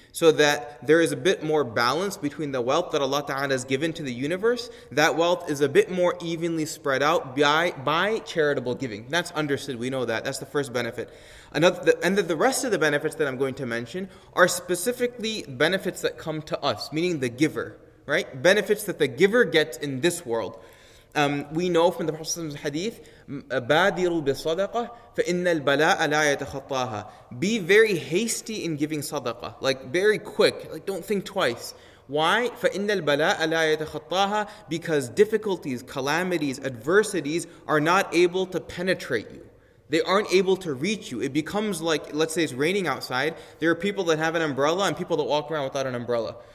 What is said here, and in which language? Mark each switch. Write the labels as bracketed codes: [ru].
[en] So that there is a bit more balance between the wealth that Allah Ta'ala has given to the universe, that wealth is a bit more evenly spread out by charitable giving. That's understood, we know that. That's the first benefit. The rest of the benefits that I'm going to mention are specifically benefits that come to us, meaning the giver, right? Benefits that the giver gets in this world. We know from the Prophet's hadith, [ar] بادروا بالصدقة فإن البلاء لا يتخطاها. [en] Be very hasty in giving sadaqah, like very quick, like don't think twice. Why? [ar] فإن البلاء لا يتخطاها, [en] because difficulties, calamities, adversities are not able to penetrate you. They aren't able to reach you. It becomes like, let's say it's raining outside, there are people that have an umbrella and people that walk around without an umbrella.